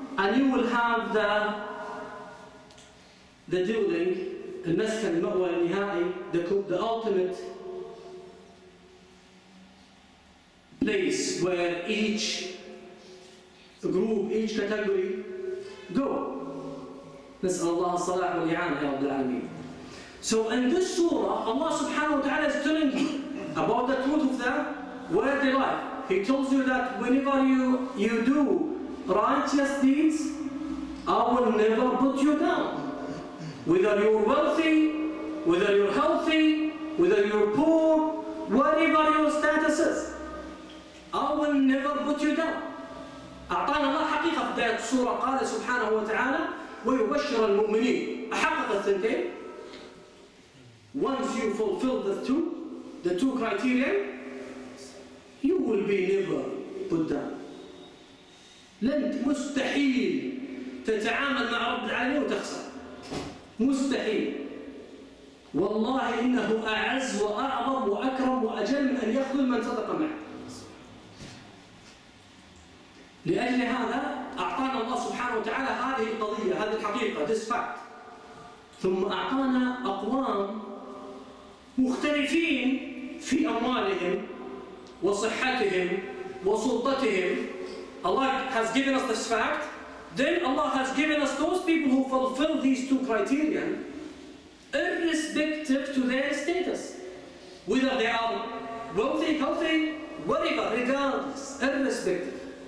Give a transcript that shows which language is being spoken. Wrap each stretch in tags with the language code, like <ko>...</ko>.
<en>And you will have the dwelling, al-maskan, al-ma'wa, al-nihai, the ultimate place where each group, each category go.</en> <ar>نسأل الله الصلاة والإعانة يا رب العالمين.</ar> <en>So in this surah, Allah subhanahu wa ta'ala is telling you about the truth of that, where they lie. He tells you that whenever you do righteous deeds, I will never put you down. Whether you're wealthy, whether you're healthy, whether you're poor, whatever your status is, I will never put you down.</en> <ar>أعطانا الله حقيقة في بداية السورة قال سبحانه وتعالى ويبشر المؤمنين. أحقق الثنتين.</ar> <en>Once you fulfill the two criteria, you will be never put down.</en> <ar>لن مستحيل تتعامل مع رب العالمين وتخسر. مستحيل. والله إنه أعز وأعظم وأكرم وأجل من أن يخذل من صدق معه. لأجل هذا أعطانا الله سبحانه وتعالى هذه القضية، هذه الحقيقة،</ar> <en>this fact.</en> <ar>ثم أعطانا أقوام مختلفين في أموالهم وصحتهم وسلطتهم.</ar> <en>Allah has given us this fact. Then Allah has given us those people who fulfill these two criteria, irrespective to their status, whether they are wealthy, healthy, whatever, regardless, irrespective.</en>